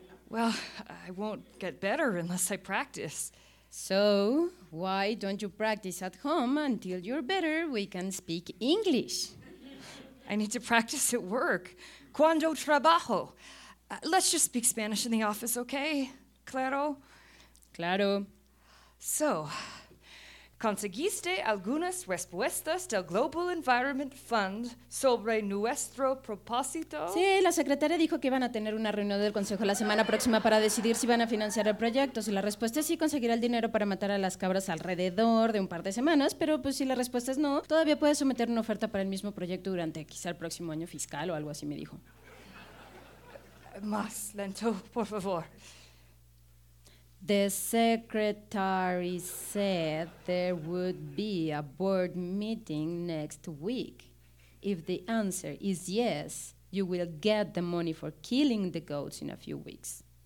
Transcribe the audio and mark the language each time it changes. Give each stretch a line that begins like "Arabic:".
English: Well, I won't get better unless I practice. So, why don't you practice at home until you're better? We can speak English. I need to practice at work.
Spanish: Cuando trabajo.
English: Let's just speak Spanish in the office, okay?
Spanish: Claro? Claro. So, ¿conseguiste algunas respuestas del Global Environment Fund sobre nuestro propósito? Sí, la secretaria dijo que iban a tener una reunión del Consejo la semana próxima para decidir si van a financiar el proyecto. Si la respuesta es sí, conseguirá el dinero para matar a las cabras alrededor de un par de semanas, pero pues si la respuesta es no, todavía puede someter una oferta para el mismo proyecto durante quizá el próximo año fiscal o algo así, me dijo. Más lento, por favor.
English: The secretary said there would be a board meeting next week. If the answer is yes, you will get the money for killing the goats in a few weeks.